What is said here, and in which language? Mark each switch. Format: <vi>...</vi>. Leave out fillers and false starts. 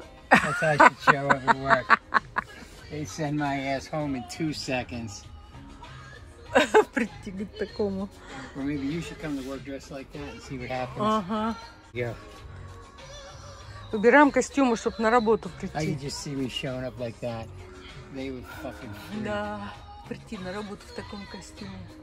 <en>That's how I should show up at work. They send my ass home in 2 seconds.</en> <ru>Прийти к такому.</ru> <en>Or maybe you should come to work dressed like that and see what happens. Uh-huh. Yeah.</en> <ru>Выбираем костюмы, чтобы на работу прийти.</ru> <en>Oh, you just see me showing up like that. They would fucking freak.</en> <ru>Да, прийти на работу в таком костюме.</ru>